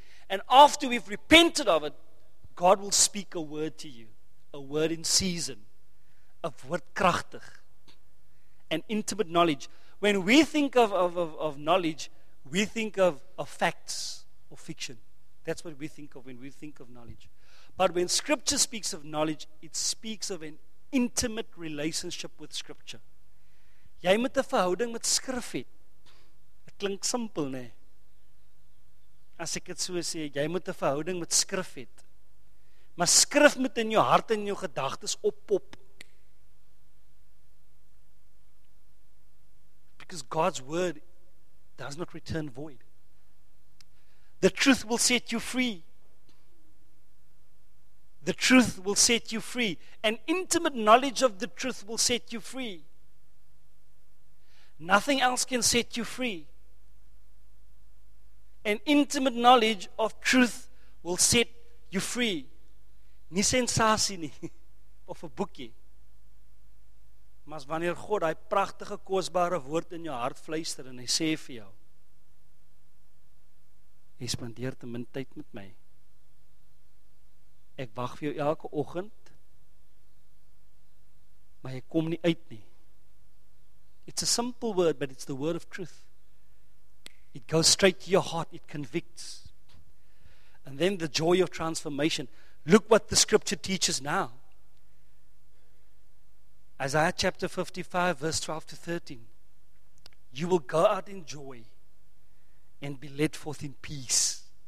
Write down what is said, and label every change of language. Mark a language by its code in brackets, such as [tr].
[en] And after we've repented of it, God will speak a word to you, a word in season, a word krachtig, an intimate knowledge. When we think of knowledge, we think of facts or fiction. That's what we think of when we think of knowledge. But when Scripture speaks of knowledge, it speaks of an intimate relationship with Scripture. [af] Jy moet 'n verhouding met Skrif hê. Dit klink simpel, né? As ek dit so sê, jy moet 'n verhouding met Skrif hê. Maar Skrif moet in jou hart en in jou gedagtes oppop. [en] Because God's word does not return void. The truth will set you free. The truth will set you free. An intimate knowledge of the truth will set you free. Nothing else can set you free. An intimate knowledge of truth will set you free. [af] Nie sensasie nie of 'n boekie. Maar wanneer God daai pragtige kosbare woord in jou hart fluister en hy sê vir jou, jy spandeer te min tyd met my. Ek wag vir jou elke oggend, maar jy kom nie uit nie. [en] It's a simple word, but it's the word of truth. It goes straight to your heart, it convicts. And then the joy of transformation. Look what the scripture teaches now. Isaiah chapter 55, verse 12 to 13. You will go out in joy and be led forth in peace.